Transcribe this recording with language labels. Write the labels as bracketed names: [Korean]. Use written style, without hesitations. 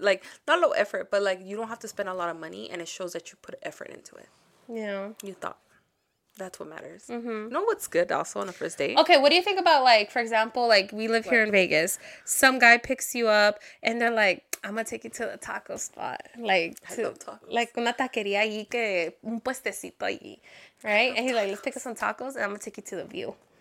[English] Like, not low effort, but, like, you don't have to spend a lot of money and it shows that you put effort into it. Yeah. You thought. That's what matters. Mm-hmm. You know what's good also on a first date? Okay, what do you think about, like, for example, like, we live here in Vegas. Some guy picks you up and they're like, I'm going to take you to the taco spot. [Spanish] Like, una taquería ahí que un puestecito allí. [English] Right? And he's like, let's pick up some tacos and I'm going to take you to the view.